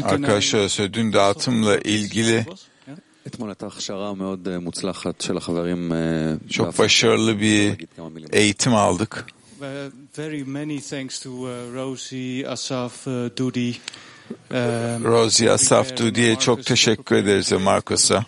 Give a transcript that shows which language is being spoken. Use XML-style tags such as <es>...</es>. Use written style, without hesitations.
<tr>Arkadaşlar, dün dağıtımla ilgili</tr> <he>אתמול הייתה הכשרה מאוד מוצלחת של החברים.</he> <tr>Çok başarılı bir eğitim aldık.</tr> <en>Very many thanks to Rosie, Asaf, Dudi.</en> <tr>Rosie, Asaf, Dudi'ye çok teşekkür ederiz ve Markus'a.</tr>